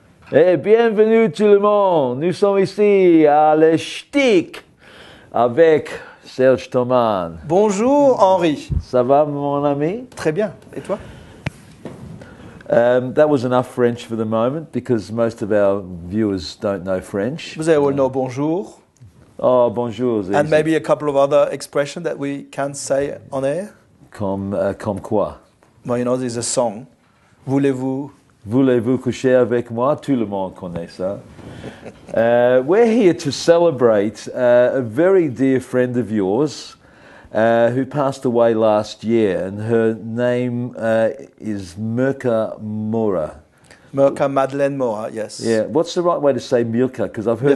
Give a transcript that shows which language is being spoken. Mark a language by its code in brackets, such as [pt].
[fr] Et bienvenue tout le monde, nous sommes ici à Le Shtick avec Serge Thomann. Bonjour Henri. Ça va mon ami? Très bien, et toi? [en] That was enough French for the moment because most of our viewers don't know French. [fr] Vous avez know bonjour. Oh bonjour. [en] And easy. Maybe a couple of other expressions that we can't say on air. [fr] Comme quoi? [en] Well, you know, there's a song. [fr] Voulez-vous? Voulez-vous coucher avec moi? Tout le monde connaît ça. [en] We're here to celebrate a very dear friend of yours who passed away last year. And her name is Mirka Mora. Mirka Madeleine Mora, yes. Yeah. What's the right way to say Mirka? Because I've heard...